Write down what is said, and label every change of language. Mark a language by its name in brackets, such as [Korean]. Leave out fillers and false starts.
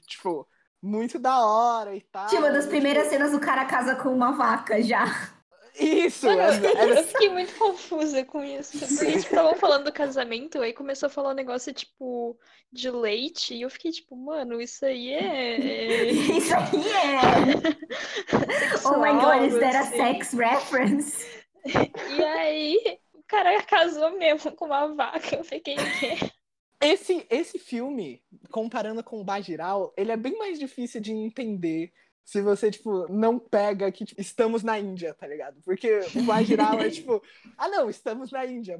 [Portuguese] Tipo, muito da hora e tal. Tinha uma das primeiras cenas do cara casa com uma vaca já. Isso! Eu fiquei muito confusa com isso. Porque eles estavam falando do casamento, aí começou a falar um negócio tipo de leite, e eu fiquei tipo, mano, isso aí é. Isso aí é! [English] Sexual, oh my god, is that a sex reference? [Portuguese] E aí, o cara casou mesmo com uma vaca, eu fiquei. Esse filme, comparando com o Bajirao, ele é bem mais difícil de entender. Se você, tipo, não pega que tipo, estamos na Índia, tá ligado? Porque o Bajirao é, tipo, ah, não, estamos na Índia.